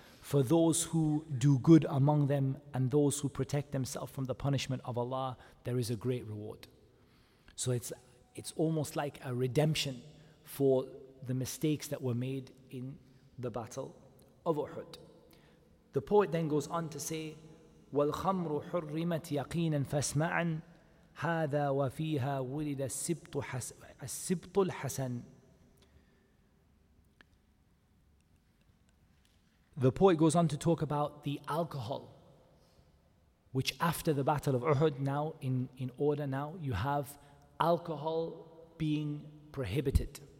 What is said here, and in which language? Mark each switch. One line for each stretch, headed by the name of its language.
English: For those who do good among them and those who protect themselves from the punishment of Allah, there is a great reward. So it's almost like a redemption for the mistakes that were made in the battle of Uhud. The poet then goes on to say,
Arabic: وَالْخَمْرُ حُرِّمَتْ يَقِينًا فَاسْمَعًا هَذَا وَفِيهَا وُلِدَ السِّبْطُ الْحَسَنِ.
English: The poet goes on to talk about the alcohol, which after the Battle of Uhud, now in order now, you have alcohol being prohibited.